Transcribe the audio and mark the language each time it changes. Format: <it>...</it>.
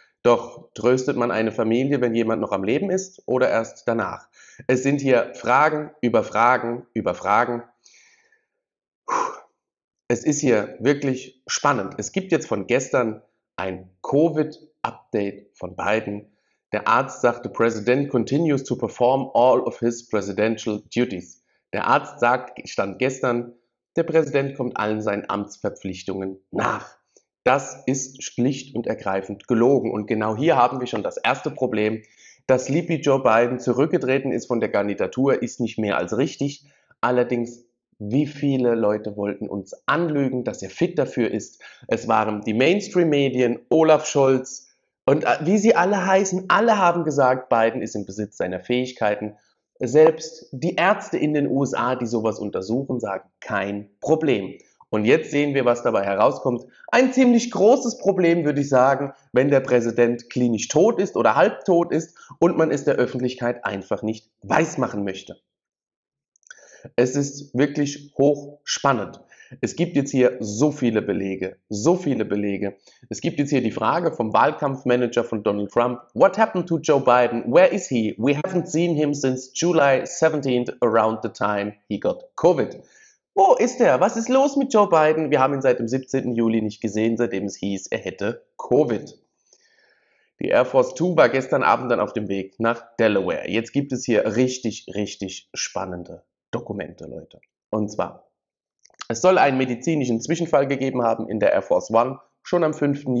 <de>Doch tröstet man eine Familie, wenn jemand noch am Leben ist oder erst danach? Es sind hier Fragen über Fragen über Fragen. Es ist hier wirklich spannend. Es gibt jetzt von gestern ein Covid-Update von Biden. Der Arzt sagt,</de> <en>the president continues to perform all of his presidential duties.</en> <de>Der Arzt sagt, stand gestern, der Präsident kommt allen seinen Amtsverpflichtungen nach. Das ist schlicht und ergreifend gelogen. Und genau hier haben wir schon das erste Problem. Dass Sleepy Joe Biden zurückgetreten ist von der Kandidatur, ist nicht mehr als richtig. Allerdings, wie viele Leute wollten uns anlügen, dass er fit dafür ist? Es waren die Mainstream-Medien, Olaf Scholz und wie sie alle heißen, alle haben gesagt, Biden ist im Besitz seiner Fähigkeiten. Selbst die Ärzte in den USA, die sowas untersuchen, sagen, kein Problem. Und jetzt sehen wir, was dabei herauskommt. Ein ziemlich großes Problem, würde ich sagen, wenn der Präsident klinisch tot ist oder halbtot ist und man es der Öffentlichkeit einfach nicht weismachen möchte. Es ist wirklich hochspannend. Es gibt jetzt hier so viele Belege, so viele Belege. Es gibt jetzt hier die Frage vom Wahlkampfmanager von Donald Trump.</de> <en>What happened to Joe Biden? Where is he? We haven't seen him since July 17th, around the time he got COVID.</en> <de>Wo ist er? Was ist los mit Joe Biden? Wir haben ihn seit dem 17. Juli nicht gesehen, seitdem es hieß, er hätte Covid. Die Air Force 2 war gestern Abend dann auf dem Weg nach Delaware. Jetzt gibt es hier richtig, richtig spannende Dokumente, Leute. Und zwar, es soll einen medizinischen Zwischenfall gegeben haben in der Air Force 1, schon am 5.</de>